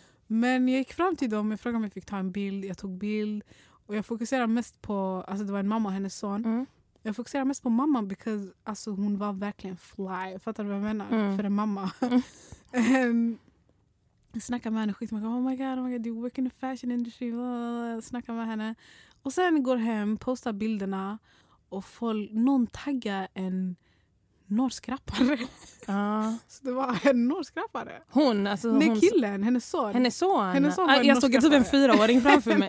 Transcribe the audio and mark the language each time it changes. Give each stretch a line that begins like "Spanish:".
Swedish: Men jag gick fram till dem, jag frågade om jag fick ta en bild, jag tog bild, och jag fokuserade mest på, alltså det var en mamma och hennes son. Jag fokuserar mest på mamma because alltså, hon var verkligen fly. Fattar du vad jag menar? För en mamma. Jag snackade med henne skit. Man går,
English: oh my god, you work in the fashion industry.
Swedish: Snackade med henne. Och sen går hem, postar bilderna och någon taggar en norsk rappare. Så det var en norsk rappare. Hon? Alltså, nej, hon... killen. Hennes son. Hennes son var en norsk rappare. Jag såg typ en fyraåring framför mig.